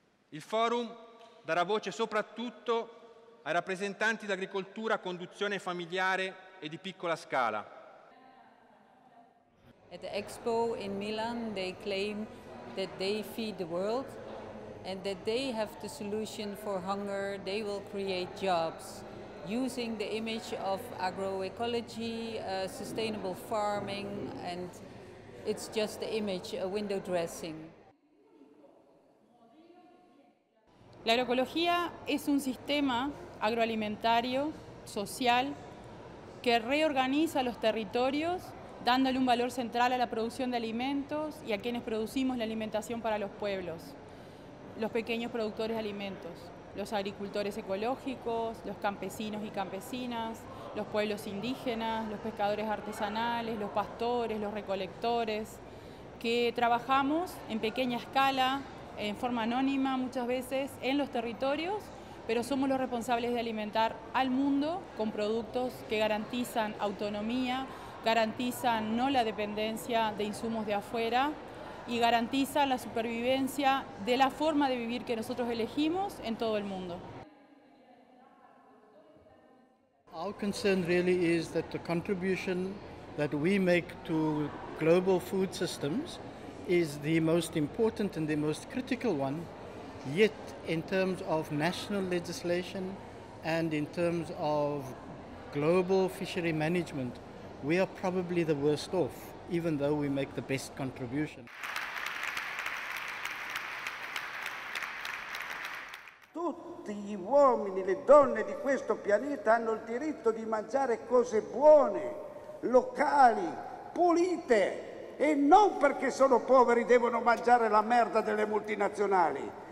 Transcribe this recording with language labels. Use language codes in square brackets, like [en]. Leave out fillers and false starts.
[it] Il forum darà voce soprattutto ai rappresentanti di agricoltura, conduzione familiare e di piccola scala. [en] At the Expo in Milan, they claim that they feed the world and that they have the solution for hunger. They will create jobs using the image of agroecology, sustainable farming, and it's just the image, a window dressing. [es] La agroecología es un sistema agroalimentario, social, que reorganiza los territorios, dándole un valor central a la producción de alimentos y a quienes producimos la alimentación para los pueblos, los pequeños productores de alimentos, los agricultores ecológicos, los campesinos y campesinas, los pueblos indígenas, los pescadores artesanales, los pastores, los recolectores, que trabajamos en pequeña escala, en forma anónima muchas veces, en los territorios, pero somos los responsables de alimentar al mundo con productos que garantizan autonomía, garantizan no la dependencia de insumos de afuera y garantizan la supervivencia de la forma de vivir que nosotros elegimos en todo el mundo. [en] Our concern really is that the contribution that we make to global food systems is the most important and the most critical one. Yet, in terms of national legislation and in terms of global fishery management, we are probably the worst off, even though we make the best contribution. [it] Tutti gli uomini e le donne di questo pianeta hanno il diritto di mangiare cose buone, locali, pulite, e non perché sono poveri devono mangiare la merda delle multinazionali.